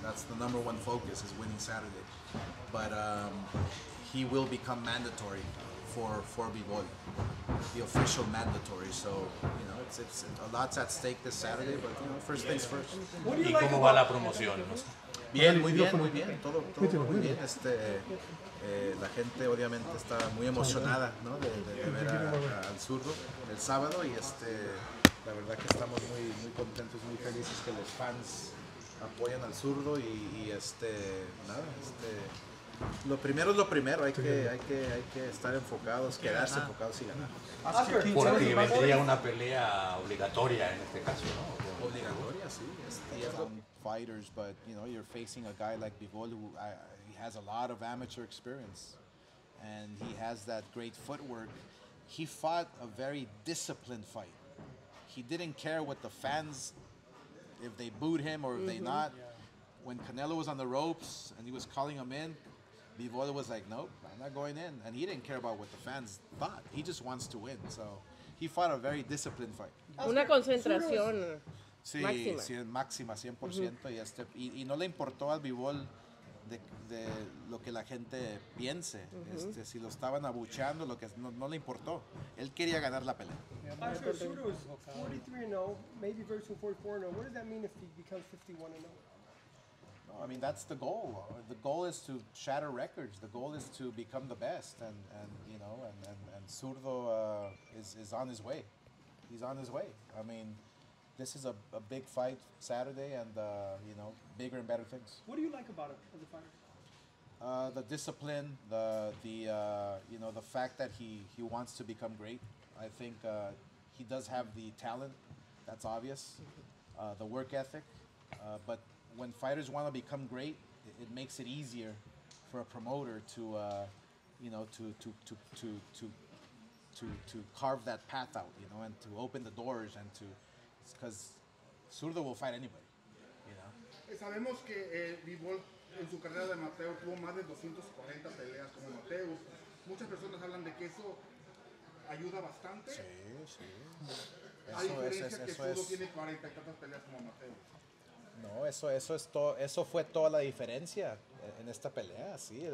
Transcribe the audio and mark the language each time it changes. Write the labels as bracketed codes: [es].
[en] That's the number one focus, is winning Saturday. But he will become mandatory for Bivol, the official mandatory. So, you know, it's a lot's at stake this Saturday, but you know, first things first. [es] ¿Y cómo va la promoción? Bien, muy bien. Todo muy bien. Este, la gente obviamente está muy emocionada, ¿no? De ver al Zurdo el sábado, y este, la verdad que estamos muy, muy contentos, muy felices que los fans apoyan al Zurdo, y este, nada, este, lo primero es lo primero, hay que estar enfocados, quedarse enfocados y ganar. Porque vendría una pelea obligatoria en este caso, ¿no? Obligatoria, sí. [en] Fighters, but you know, you're facing a guy like Bivol, who he has a lot of amateur experience, and he has that great footwork. He fought a very disciplined fight. He didn't care what the fans, if they booed him or if they not. Yeah. When Canelo was on the ropes and he was calling him in, Bivol was like, nope, I'm not going in. And he didn't care about what the fans thought. He just wants to win. So he fought a very disciplined fight. [es] Una concentración sí, máxima. Sí, máxima, 100%. Uh-huh. Y no le importó al Bivol de lo que la gente piense, uh-huh. Este, si lo estaban abucheando, lo que no le importó, él quería ganar la pelea. [en] Oscar, Zurdo is 43-0, maybe versus 44-0. What does that mean if he becomes 51-0? I mean, that's the goal. The goal is to shatter records. The goal is to become the best. And you know, and Zurdo is on his way. He's on his way. I mean, this is a big fight Saturday, and you know, bigger and better things. What do you like about it as a fighter? The discipline, the you know, the fact that he wants to become great. I think he does have the talent. That's obvious. The work ethic, but when fighters want to become great, it makes it easier for a promoter to you know, to carve that path out, you know, and to open the doors, and to, because Zurdo will fight anybody, you know. [es] Sabemos que Bivol en su carrera de amateur tuvo más de 240 peleas como amateur. Muchas personas hablan de que eso ayuda bastante. Sí, sí. Eso es, eso que es. Zurdo tiene 40 y tantas peleas como amateur. No, eso es todo, eso fue toda la diferencia en esta pelea, sí.